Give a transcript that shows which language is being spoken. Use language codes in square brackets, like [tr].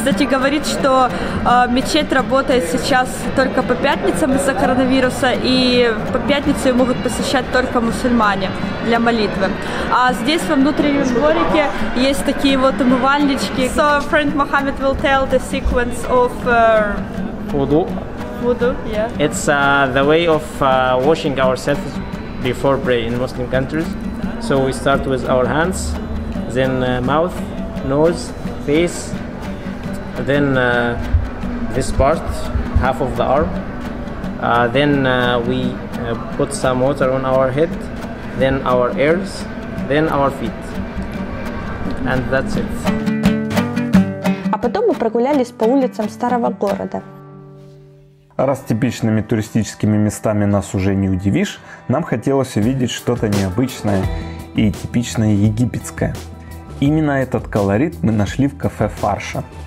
[ru] Говорит, что мечеть работает сейчас только по пятницам из-за коронавируса, и по пятницу ее могут посещать только мусульмане для молитвы. А здесь во внутреннем дворике есть такие вот умывальнички. [en] So, friend Mohammed will tell the sequence of wudu. Wudu, yeah. It's the way of washing ourselves before prayer in Muslim countries. So we start with our hands, then mouth, nose, face. Then this part, half of the arm. Then we put some water on our head, then our ears, then our feet. And that's it. [ru] А потом мы прогулялись по улицам старого города. Раз типичными туристическими местами нас уже не удивишь, нам хотелось увидеть что-то необычное и типичное египетское. Именно этот колорит мы нашли в кафе «Фарша».